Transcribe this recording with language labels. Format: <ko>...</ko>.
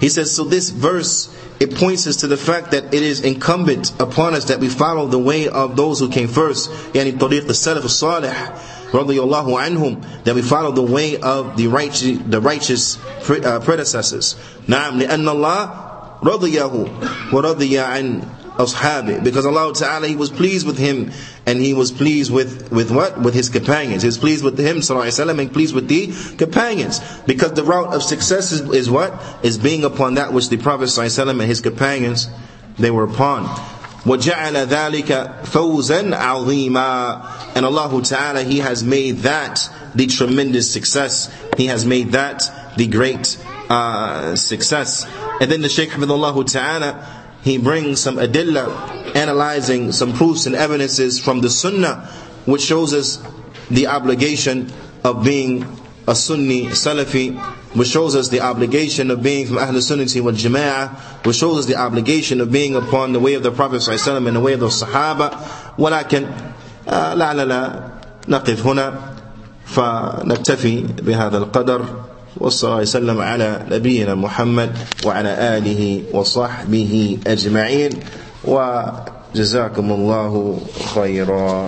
<en>He says, so this verse, it points us to the fact that it is incumbent upon us that we follow the way of those who came first.</en> <ar>يعني طريق السلف الصالح رضي الله عنهم.</ar> <en>That we follow the way of the righteous predecessors.</en> <ar>نعم لأن الله رضيه ورضي عن أصحابه.</ar> <en>Because Allah Ta'ala, He was pleased with him. And he was pleased with what? With his companions. He was pleased with him, sallallahu alayhi wa sallam, and pleased with the companions. Because the route of success is what? Is being upon that which the Prophet, sallallahu alayhi wa sallam, and his companions, they were upon.</en> <ar>وَجَعَلَ ذَلِكَ فَوْزًا عَظِيمًا.</ar> <en>And Allah Ta'ala, He has made that the tremendous success. He has made that the great success. And then the Shaykh of Allah Ta'ala, he brings some adilla, analyzing some proofs and evidences from the Sunnah, which shows us the obligation of being a Sunni Salafi, which shows us the obligation of being from Ahlul Sunnati wal Jama'ah, which shows us the obligation of being upon the way of the Prophet sallallahu alaihi wasallam and the way of the Sahaba.</en> <ar>ولكن لا نقف هنا فنكتفي بهذا القدر. وصلى الله وسلم على نبينا محمد وعلى آله وصحبه أجمعين وجزاكم الله خيرا.</ar>